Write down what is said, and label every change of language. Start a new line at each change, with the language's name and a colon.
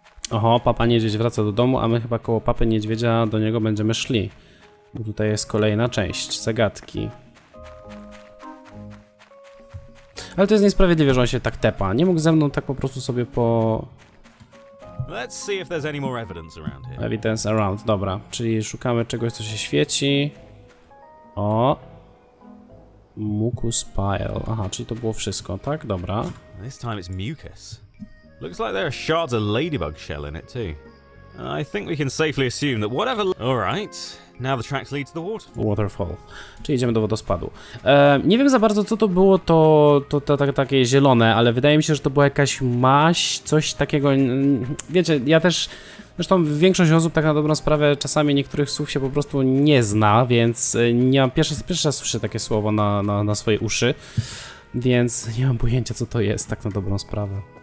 Polish: Oho, Papa Niedźwiedź wraca do domu, a my chyba koło Papy Niedźwiedzia do niego będziemy szli. Bo tutaj jest kolejna część, zagadki. Ale to jest niesprawiedliwe, że on się tak tepa. Nie mógł ze mną tak po prostu sobie po...
English: Let's see if there's any more evidence around here. Evidence around, dobra.
Polish: Czyli szukamy czegoś, co się świeci. O!
English: Mucus pile.
Polish: Aha, czyli to było wszystko, tak? Dobra.
English: This time it's mucus. Looks like there are shards of ladybug shell in it too. I think we can safely assume that whatever. All right. Now the tracks lead to the waterfall. Waterfall.
Polish: Czyli idziemy do wodospadu. Nie wiem za bardzo, co to było takie zielone, ale wydaje mi się, że to była jakaś maść, coś takiego. Wiecie, ja też. Zresztą większość osób tak na dobrą sprawę czasami niektórych słów się po prostu nie zna, więc nie mam pierwszy raz słyszę takie słowo na swoje uszy, więc nie mam pojęcia, co to jest tak na dobrą sprawę.